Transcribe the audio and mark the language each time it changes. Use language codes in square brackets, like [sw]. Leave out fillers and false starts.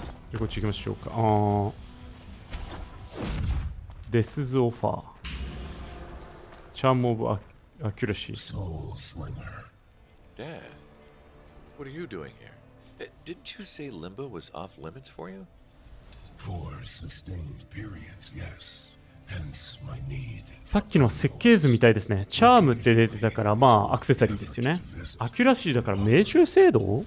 [ja] じゃこっち行きましょうか。デスズオファー、チャームオブアキュラシー。ソウルスリンガー。 [en] ダッド、What are you doing here? Didn't you say Limbo was off limits for you? For sustained periods, yes. Hence my need. [ja] さっきの設計図みたいですね。チャームって出てたから、まあアクセサリーですよね。アキュラシーだから命中精度？